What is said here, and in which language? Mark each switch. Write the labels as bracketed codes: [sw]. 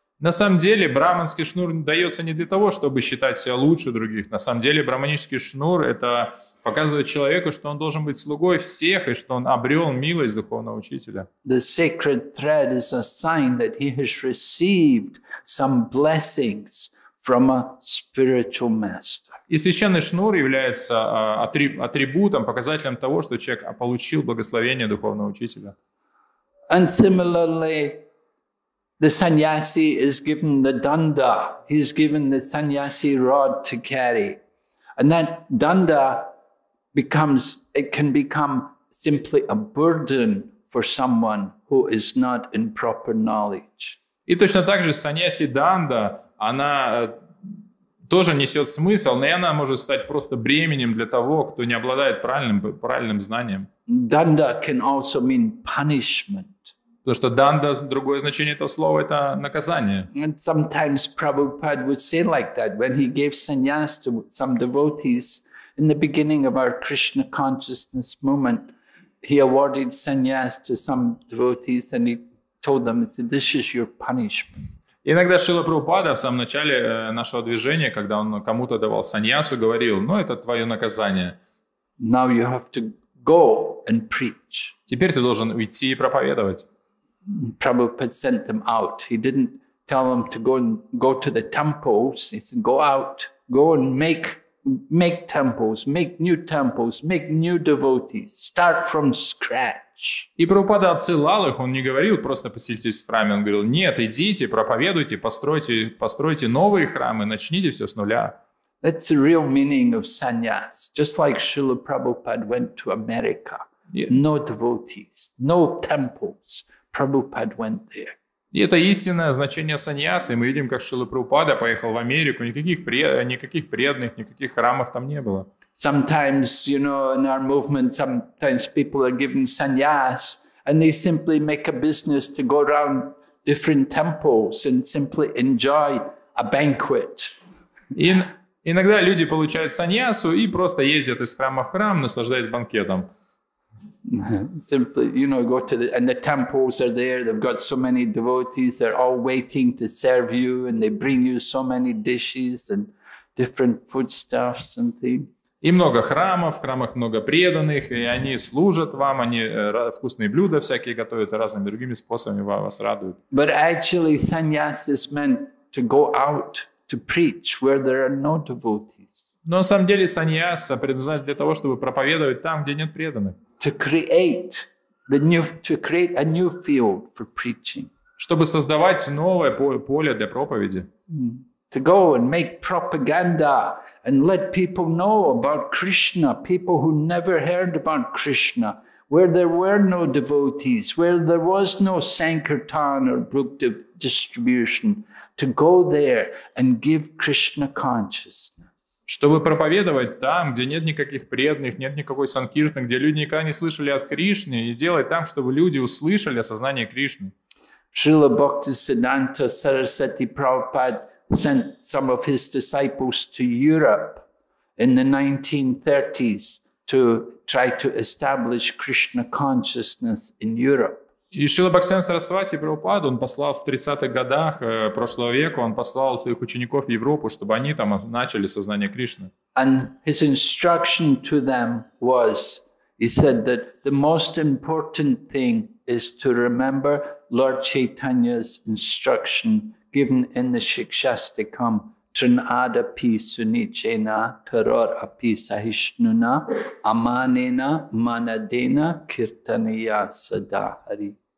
[ru] На самом деле, брахманский шнур дается не для того, чтобы считать себя лучше других. На самом деле, брахманический шнур – это показывает человеку, что он должен быть слугой всех, и что он обрел милость духовного учителя. [en] The sacred thread is a sign that he has received some blessings from a spiritual master. [ru] И священный шнур является атрибутом, показателем того, что человек получил благословение духовного учителя. [en] And similarly, the sannyasi is given the danda. He's given the sannyasi rod to carry. And that danda can become simply a burden for someone who is not in proper knowledge. [ru] И точно так же sannyasi danda, она тоже несет смысл, но она может стать просто бременем для того, кто не обладает правильным знанием. [en] Danda can also mean punishment. [ru] Потому что данда, другое значение этого слова, это наказание. [en] And sometimes Prabhupada would say like that, when he gave sannyas to some devotees in the beginning of our Krishna consciousness movement, he awarded sannyas to some devotees and he told them, he said, this is your punishment. [ru] Иногда Шрила Прабхупада в самом начале нашего движения, когда он кому-то давал саньясу, говорил, ну это твое наказание. [en] Now you have to go and preach. [ru] Теперь ты должен уйти и проповедовать. [en] Prabhupada sent them out. He didn't tell them to go to the temples. He said, go out, go and make temples, make new devotees, start from scratch. [ru] И Прабхупада отсылал их, он не говорил, просто поселитесь в храме. Он говорил, нет, идите, проповедуйте, постройте новые храмы, начните все с нуля. [en] That's the real meaning of sannyas. Just like Srila Prabhupada went to America. Yeah. No devotees, no temples. Prabhupada went there. [ru] И это истинное значение саньяса. И мы видим, как Шрила Прабхупада поехал в Америку. Никаких преданных, никаких храмов там не было. [en] Sometimes, you know, in our movement, sometimes people are given sannyas, and they simply make a business to go around different temples and simply enjoy a banquet. [ru] И Иногда люди получают саньясу и просто ездят из храма в храм, наслаждаясь банкетом. [en] Simply, you know, go to the, and the temples are there, they've got so many devotees, they're all waiting to serve you, and they bring you so many dishes and different foodstuffs and things. [ru] И много храмов, в храмах много преданных, и они служат вам, они вкусные блюда всякие готовят разными другими способами, вас радуют. [en] But actually, sannyasa is meant to go out to preach where there are no devotees. [ru] Но на самом деле саньяса предназначена для того, чтобы проповедовать там, где нет преданных. [en] To create the new, to create a new field for preaching. [ru] Чтобы создавать новое поле для проповеди. [en] To go and make propaganda and let people know about Krishna, people who never heard about Krishna, where there were no devotees, where there was no sankirtan or book distribution, to go there and give Krishna consciousness. [ru] Чтобы проповедовать там, где нет никаких преданных, нет никакой санкиртны, где люди никогда не слышали о Кришне, и сделать там, чтобы люди услышали о сознании Кришны. [en] Srila Bhaktisiddhanta Sarasvati Prabhupada sent some of his disciples to Europe in the 1930s to try to establish Krishna consciousness in Europe. [ru] И Шрила Бхактисиддханта Сарасвати Прабхупада, он послал в 30-х годах прошлого века, он послал своих учеников в Европу, чтобы они там начали сознание Кришны. [en] And his instruction to them was, he said that the most important thing is to remember Lord Chaitanya's instruction given in the Shikshastikam, [sa] Trinadapi Sunichena Taror Api Sahishnuna Amanena Manadena Kirtaniya Sadahari.